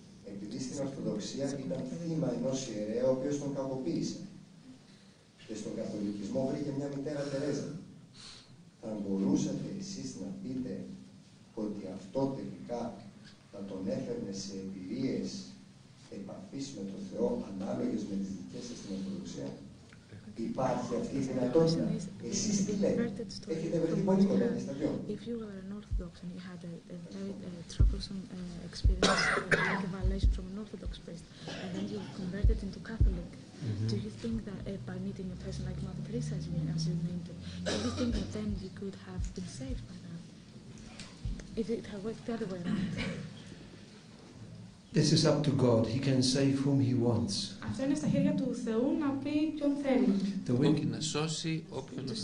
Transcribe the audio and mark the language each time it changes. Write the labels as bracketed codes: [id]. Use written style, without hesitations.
[el] Επειδή στην Ορθοδοξία ήταν θύμα ενός ιερέα ο οποίος τον κακοποίησε και στον καθολικισμό βρήκε μια μητέρα Τερέζα, θα μπορούσατε εσείς να πείτε ότι αυτό τελικά θα τον έφερνε σε εμπειρίες επαφής με τον Θεό ανάλογες με τις δικές σας στην Ορθοδοξία? Υπάρχει αυτή η δυνατότητα? Εσείς τι λέτε? Έχετε βρεθεί πολύ κοντά στα δυο. [en] Orthodox and you had a very troublesome experience, like a violation from an Orthodox priest, and then you converted into Catholic. Mm-hmm. Do you think that by meeting a person like Mother Teresa, as you named it, do you think that then you could have been saved by that? If it had worked the other way around? This is up to God. He can save whom He wants. [el] Αυτό είναι στα χέρια του Θεού να πει ποιον θέλει. The wink in the saucy open.